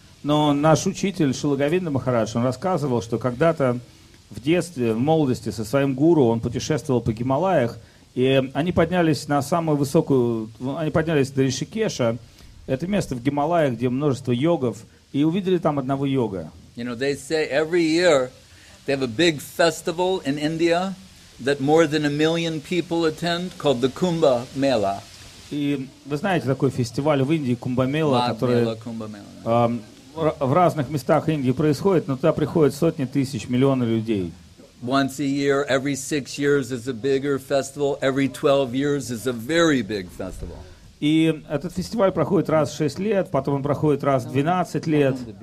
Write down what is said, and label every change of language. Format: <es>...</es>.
<ru>Но наш учитель Шрила Говинда Махарадж, он рассказывал, что когда-то в детстве, в молодости со своим гуру он путешествовал по Гималаях, и они поднялись на самую высокую, они поднялись до Ришикеша, это место в Гималаях, где множество йогов, и увидели там одного йога.</ru> <en>You know, they say every year they have a big festival in India that more than a million people attend called the Kumbha Mela.</en> <ru>И вы знаете такой фестиваль в Индии, Кумбха Мела, который в разных местах Индии происходит, но туда приходят сотни тысяч, миллионы людей.</ru> <en>Once a year, every 6 years is a bigger festival, every 12 years is a very big festival.</en> <ru>И этот фестиваль проходит раз в 6 лет, потом он проходит раз в 12 лет.</ru>